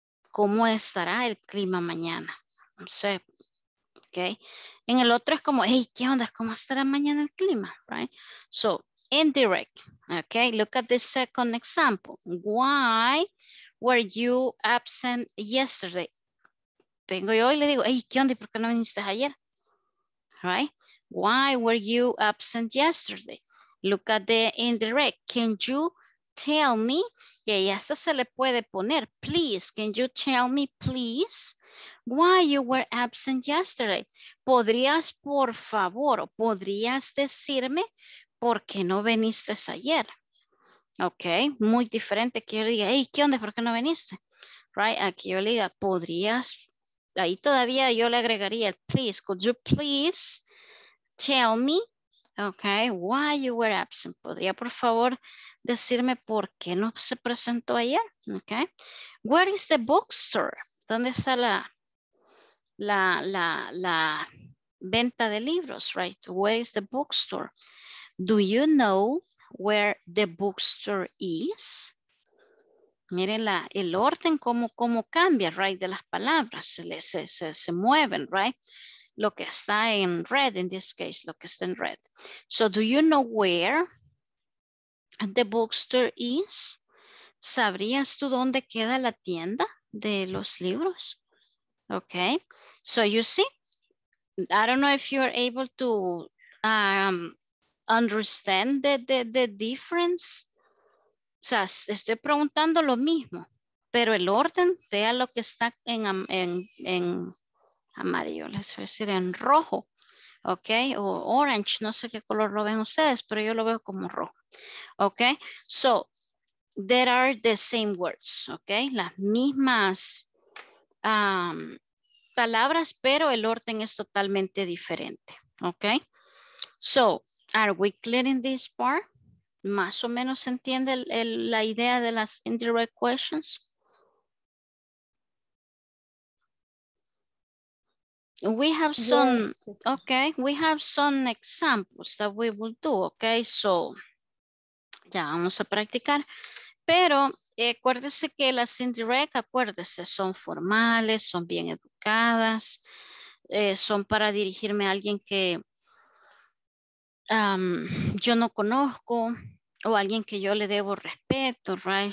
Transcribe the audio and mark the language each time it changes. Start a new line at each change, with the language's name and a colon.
Spanish: ¿Cómo estará el clima mañana? No sé. Ok. En el otro es como, hey, ¿qué onda? ¿Cómo estará mañana el clima?
English: Right? So, indirect.
Spanish: Ok.
English: Look at the second example. Why were you absent yesterday?
Spanish: Vengo yo y le digo, hey, ¿qué onda? ¿Por qué no viniste ayer? Right?
English: Why were you absent yesterday? Look at the indirect. Can you tell me?
Spanish: Y ahí hasta se le puede poner,
English: please, can you tell me, please, why you were absent yesterday?
Spanish: ¿Podrías, por favor, podrías decirme por qué no viniste ayer? Ok, muy diferente que yo le diga, hey, ¿qué onda? ¿Por qué no viniste? Right, aquí yo le diga, podrías, ahí todavía yo le agregaría,
English: please, could you please tell me, ok, why you were absent?
Spanish: ¿Podría, por favor, decirme por qué no se presentó ayer? Ok,
English: where is the bookstore?
Spanish: ¿Dónde está la venta de libros?
English: Right, where is the bookstore? Do you know where the bookstore is?
Spanish: Miren la, el orden, cómo cambia, right, de las palabras, se mueven, right? Lo que está en red,
English: in this case,
Spanish: lo que está en red.
English: So, do you know where the bookstore is?
Spanish: ¿Sabrías tú dónde queda la tienda de los libros?
English: Okay, so you see, I don't know if you are able to understand the difference.
Spanish: O sea, estoy preguntando lo mismo, pero el orden, vea lo que está en amarillo, les voy a decir en rojo, ok, o orange, no sé qué color lo ven ustedes, pero yo lo veo como rojo, ok.
English: So, there are the same words,
Spanish: ok, las mismas palabras, pero el orden es totalmente diferente, ok.
English: So, are we clear in this part?
Spanish: ¿Más o menos entiende la idea de las indirect questions?
English: We have some, yes. Okay, we have some examples that we will do, okay?
Spanish: So, ya vamos a practicar. Pero acuérdese que las indirect, acuérdese, son formales, son bien educadas, son para dirigirme a alguien que yo no conozco, o alguien que yo le debo respeto, right?